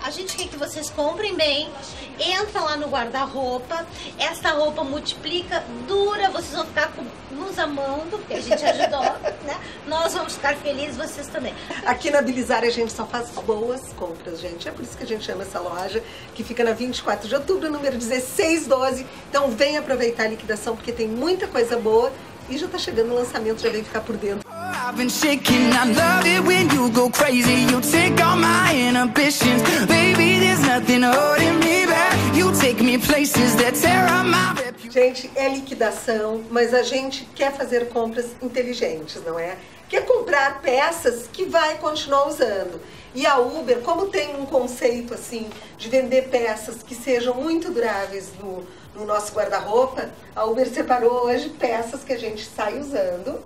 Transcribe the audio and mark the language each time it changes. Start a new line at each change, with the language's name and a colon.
Portuguese: A gente quer que vocês comprem bem, entra lá no guarda-roupa, esta roupa multiplica, dura, vocês vão ficar nos amando, porque a gente ajudou, né? Nós vamos ficar felizes, vocês também. Aqui na Bilizar a gente só faz boas compras, gente. É por isso que a gente ama essa loja, que fica na 24 de outubro, número 1612. Então vem aproveitar a liquidação, porque tem muita coisa boa e já tá chegando o lançamento, já vem ficar por dentro.
English: I've been shaking, I love it when you go crazy. You take all my inhibitions. Baby, there's nothing holding me back. You take me places that tear up my...
Portuguese: Gente, é liquidação, mas a gente quer fazer compras inteligentes, não é? Quer comprar peças que vai continuar usando. E a Uber, como tem um conceito assim de vender peças que sejam muito duráveis no nosso guarda-roupa, a Uber separou hoje peças que a gente sai usando.